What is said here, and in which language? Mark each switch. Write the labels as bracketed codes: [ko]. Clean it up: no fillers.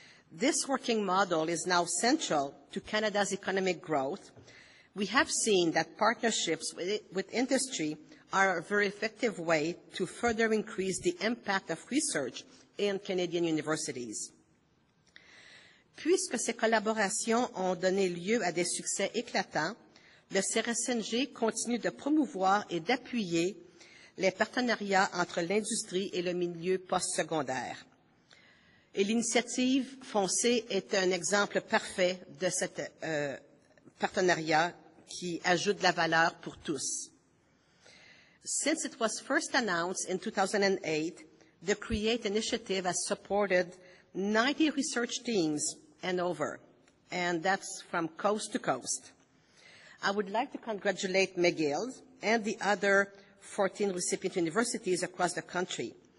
[en] This working model is now central to Canada's economic growth. We have seen that partnerships with industry are a very effective way to further increase the impact of research in Canadian universities. [fr] Puisque ces collaborations ont donné lieu à des succès éclatants, le CRSNG continue de promouvoir et d'appuyer les partenariats entre l'industrie et le milieu postsecondaire. Et l'initiative Foncé est un exemple parfait de cet partenariat qui ajoute de la valeur pour tous. [en] Since it was first announced in 2008, the CREATE initiative has supported 90 research teams and over, and that's from coast to coast. I would like to congratulate McGill and the other 14 recipient universities across the country.